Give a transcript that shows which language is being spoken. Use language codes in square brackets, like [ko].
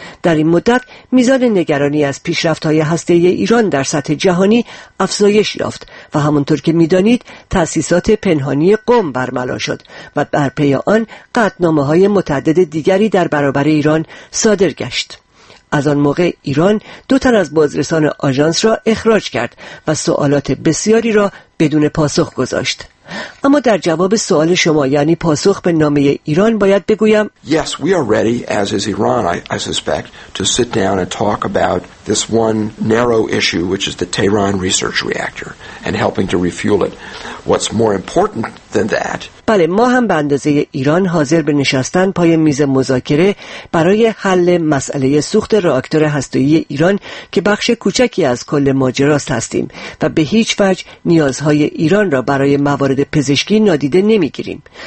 [fa] در این مدت میزان نگرانی از پیشرفت‌های هسته‌ای ایران در سطح جهانی افزایش یافت و همونطور که می‌دانید تأسیسات پنهانی قم برملا شد و بر پی آن قطعنامه‌های متعدد دیگری در برابر ایران صادر گشت. از آن موقع ایران 2 از بازرسان آژانس را اخراج کرد و سوالات بسیاری را بدون پاسخ گذاشت. اما در جواب سوال شما یعنی پاسخ به نامه ایران باید بگویم [en] Yes, we are ready, as is Iran, I suspect, to sit down and talk about this one narrow issue, which is the Tehran Research Reactor, and helping to refuel it. What's more important than that? [fa] بله، ما هم به اندازه ایران حاضر به نشستن پای میز مذاکره برای حل مسئله سوخت راکتور هسته‌ای ایران که بخش کوچکی از کل ماجراست هستیم و به هیچ وجه نیازهای ایران را برای موارد پزشکی نادیده نمیگیریم.